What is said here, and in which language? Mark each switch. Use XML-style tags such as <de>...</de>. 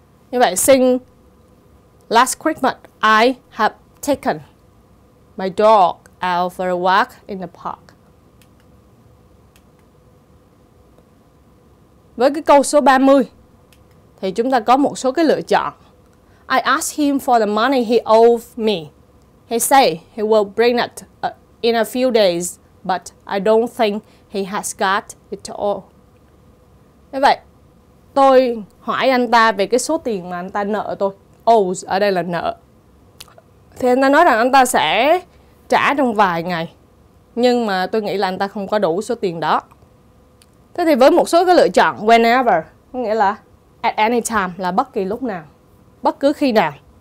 <vi>Như vậy,</vi> <en>since last Christmas, I have taken my dog out for a walk in the park.</en> <vi>Với cái câu số 30, thì chúng ta có một số cái lựa chọn.</vi> <en>I asked him for the money he owed me. He said he will bring it in a few days, but I don't think he has got it all.</en> <vi>Như vậy, tôi hỏi anh ta về cái số tiền mà anh ta nợ tôi. Owes ở đây là nợ. Thì anh ta nói rằng anh ta sẽ trả trong vài ngày. Nhưng mà tôi nghĩ là anh ta không có đủ số tiền đó. Thế thì với một số cái lựa chọn, whenever, có nghĩa là</vi> <en>at any time,</en> <vi>là bất kỳ lúc nào, bất cứ khi nào.</vi>